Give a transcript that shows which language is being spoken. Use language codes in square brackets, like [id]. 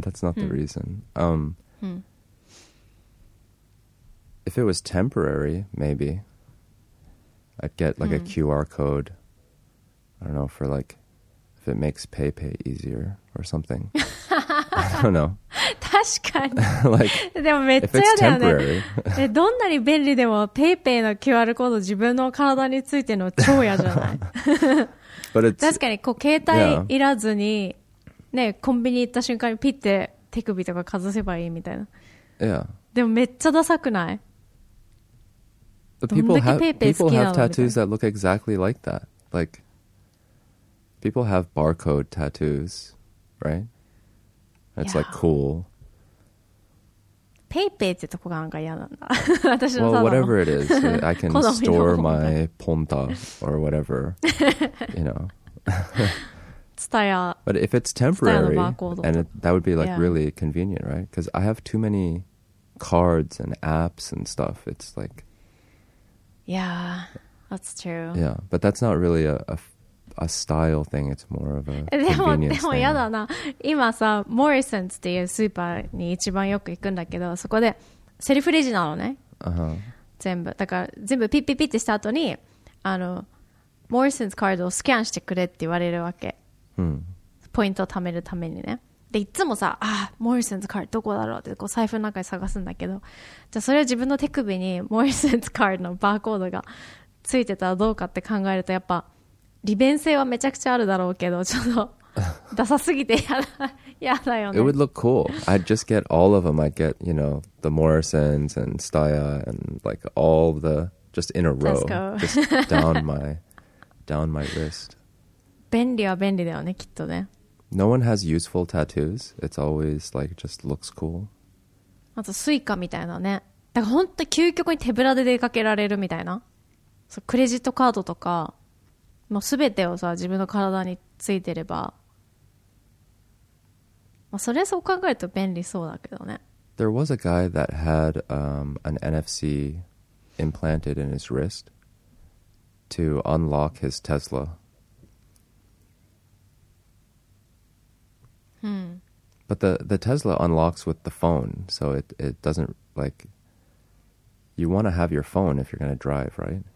[en] That's not the reason. If it was temporary, maybe I'd get like a QR code. I don't know, for like if it makes PayPay easier or something. don't know. [ja] 確かに。 [en] like, [ja] でもめっちゃ嫌だよね。え、どんなに便利でも PayPay の QR コード自分の体についての超嫌じゃない。 [en] But it's, [ja] 確かに、こう、携帯いらずに、yeah. ね、コンビニ行った瞬間にピッて手首とかかざせばいいみたいな。 [en] Yeah. [ja] でもめっちゃダサくない? [en] But people [ja] どんだけ PayPay 好きなの? [en] People have tattoos that look exactly like that. Like, people have barcode tattoos, right? It's like cool. PayPay ってとこがなんか嫌なんだ。私の Well, whatever it is, I can store my Ponta or whatever. You know. Tsutaya. But if it's temporary, and it, that would be like really convenient, right? Because I have too many cards and apps and stuff. It's like. Yeah, that's true. Yeah, but that's not really a style thing. It's more of a convenience thing. [ja] でも嫌だな。今さ、モリソンズっていうスーパーに一番よく行くんだけど、そこでセルフレジなのね。 Uh-huh. 全部。だから全部ピッピッピッってした後に、あの、モリソンズカードをスキャンしてくれって言われるわけ。 Hmm. ポイントを貯めるためにね。で、いつもさ、あ、モリソンズカードどこだろうってこう財布の中に探すんだけど、じゃあそれは自分の手首にモリソンズカードのバーコードがついてたらどうかって考えると、やっぱ、利便性はめちゃくちゃあるだろうけど、ちょっとダサすぎてやだ、やだよね。 [en] It would look cool. I'd just get all of them. I'd get, you know, the Morrisons and Staya and like all the, just in a row. Just down my wrist. [ja] 便利は便利だよね、きっとね。 [en] No one has useful tattoos. It's always like just looks cool. [ja] あとスイカみたいなね。だから本当究極に手ぶらで出かけられるみたいな。そう、クレジットカードとか。もう全てをさ自分の体についてれば、まあ、それはそう考えると便利そうだけどね。 [en] There was a guy that had an NFC implanted in his wrist to unlock his Tesla. But the Tesla unlocks with the phone, so it doesn't like you want to have your phone if you're going to drive, right?